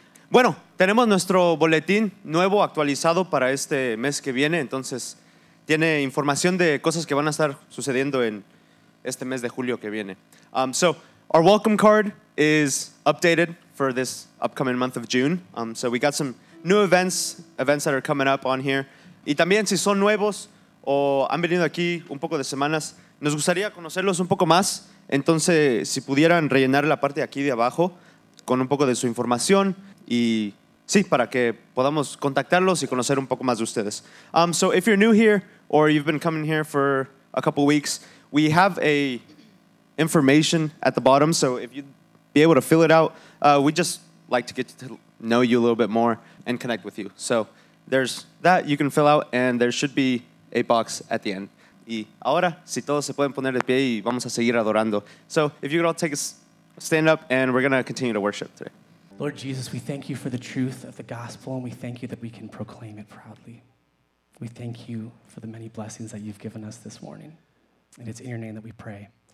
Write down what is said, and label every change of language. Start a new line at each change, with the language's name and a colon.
Spanish: Bueno, tenemos nuestro boletín nuevo actualizado para este mes que viene. Entonces, tiene información de cosas que van a estar sucediendo en este mes de julio que viene.
English: So, our welcome card is updated for this upcoming month of June. So, we got some new events that are coming up on here.
Spanish: Y también, si son nuevos o han venido aquí un poco de semanas, nos gustaría conocerlos un poco más. Entonces, si pudieran rellenar la parte de aquí de abajo con un poco de su información y sí, para que podamos contactarlos y conocer un poco más de ustedes.
English: So if you're new here or you've been coming here for a couple weeks, we have a information at the bottom. So if you'd be able to fill it out, we'd just like to get to know you a little bit more and connect with you. So there's that you can fill out and there should be a box at the end.
Spanish: Y ahora, si todos se pueden poner de pie y vamos a seguir adorando.
English: So if you could all take a stand up and we're going to continue to worship today. Lord Jesus, we thank you for the truth of the gospel and we thank you that we can proclaim it proudly. We thank you for the many blessings that you've given us this morning. And it's in your name that we pray.